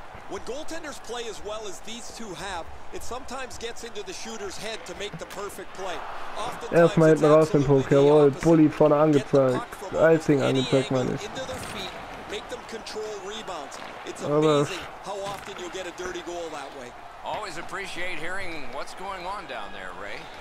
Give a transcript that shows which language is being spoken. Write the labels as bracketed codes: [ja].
[en] When goaltenders play as well as these two have, it sometimes gets into the shooter's head to make the perfect play. [de] Erstmal hinten raus den Puck, jawohl, Bulli vorne angezeigt, Icing angezeigt, meine ich. [en] Make them control rebounds. It's amazing how often you'll get a dirty goal that way. Always appreciate hearing what's going on down there, Ray.